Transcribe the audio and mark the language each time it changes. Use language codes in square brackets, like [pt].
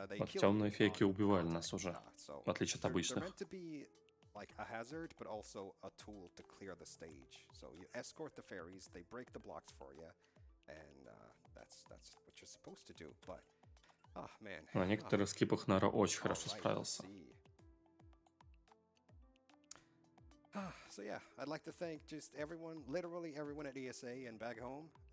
[ru] вот темные фейки убивали нас уже, в отличие от обычных. [en] They're meant to be like a hazard, but also a tool to clear the stage. So you escort the fairies, they break the blocks for you, and that's what you're supposed to do. But, oh, man. [ru] На некоторых скипах Наро очень хорошо справился. [en] So yeah, I'd like to thank just everyone, literally everyone at ESA and back home.